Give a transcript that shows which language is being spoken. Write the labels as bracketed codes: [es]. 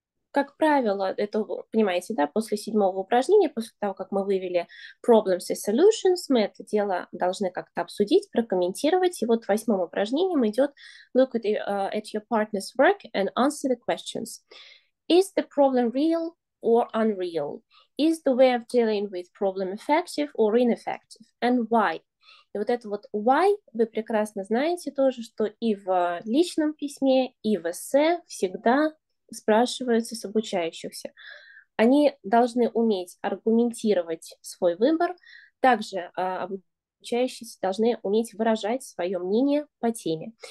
[ru] Как правило, это, понимаете, да, после седьмого упражнения, после того, как мы вывели problems и solutions, мы это дело должны как-то обсудить, прокомментировать, и вот восьмым упражнением идет [en] look at, at your partner's work and answer the questions. Is the problem real or unreal? Is the way of dealing with problem effective or ineffective? And why? [ru] И вот это вот why вы прекрасно знаете тоже, что и в личном письме, и в эссе всегда спрашиваются с обучающихся. Они должны уметь аргументировать свой выбор. Также обучающиеся должны уметь выражать свое мнение по теме.